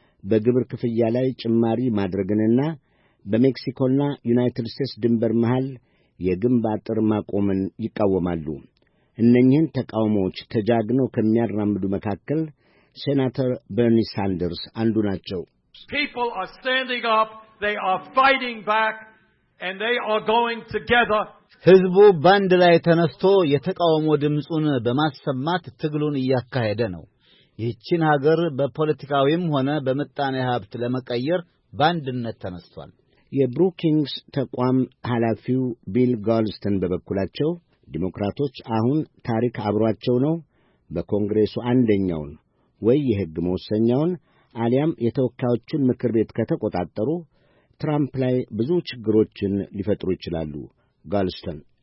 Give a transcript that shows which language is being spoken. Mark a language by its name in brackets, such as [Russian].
[Amharic] በግብር ክፍያ ላይ ጭማሪ ማድረግንና በሜክሲኮና ዩናይትድ ስቴትስ ድንበር መሃል የግንባር ጥር ማቆምን ይቃወማሉ። እነኚህን ተቃውሞዎች ተጃግነው ከሚያራምዱ መካከል ሴናተር በርኒ ሳንደርስ አንዱ ናቸው። [English] People are standing up, they are fighting back, and they are going together. [Amharic] ህዝቡ ባንድ ላይ ተነስተ የተቃውሞ ድምጹን በማሰማት ትግሉን ያካሄደ ነው። ይህችን ሀገር በፖለቲካዊም ሆነ በመጣኔ ሀብት ለመቀየር ባንድነት ተነስተዋል። የብሩኪንግስ ተቋም ኃላፊው ቢል ጋልስተን በበኩላቸው ዲሞክራቶች አሁን ታሪክ አብሯቸው ነው። በኮንግረሱ አንደኛውን ወይ የህግ መወሰኛውን አሊያም የተወካዮችን ምክር ቤት ከተቆጣጠሩ ትራምፕ ላይ ብዙ ችግሮችን ሊፈጥሩ ይችላሉ። ጋልስተን